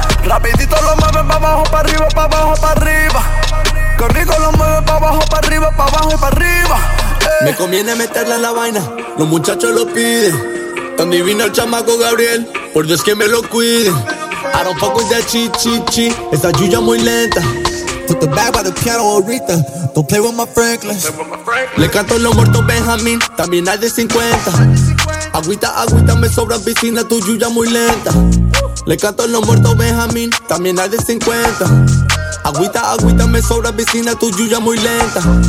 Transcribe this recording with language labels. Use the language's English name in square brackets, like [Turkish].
[Spanish] Rapidito lo mueven pa' abajo, pa' arriba, pa' abajo, pa' arriba. Qué rico lo mueven pa' abajo, pa' arriba, pa' abajo, pa' arriba. Me conviene meterla en la vaina, los muchachos lo piden. Tan divino el chamaco Gabriel, por Dios que me lo cuide. [English] I don't fuck with that chi chi chi, [Spanish] esta lluvia muy lenta. [English] Put the bag by the piano ahorita, don't play with my Franklin. [Spanish] Le canto los muertos Benjamín, también hay de 50. Agüita, agüita, me sobra piscina, tu lluvia muy lenta. Le canto los muertos Benjamín, también hay de 50. Agüita, agüita, me sobra piscina, tu lluvia muy lenta.